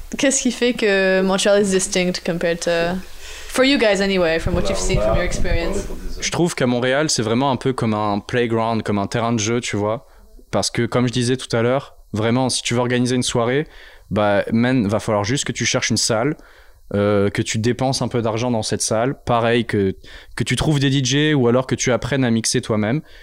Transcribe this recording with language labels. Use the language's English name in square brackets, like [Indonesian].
[French] Qu'est-ce qui fait que Montréal [English] is distinct compared to... For you guys anyway, from what you've seen from your experience. [French] Je trouve qu'à Montréal, c'est vraiment un peu comme un playground, comme un terrain de jeu, tu vois. Parce que, comme je disais tout à l'heure, vraiment, si tu veux organiser une soirée, bah, man, va falloir juste que tu cherches une salle, que tu dépenses un peu d'argent dans cette salle. Pareil, que tu trouves des DJ ou alors que tu apprennes à mixer toi-même.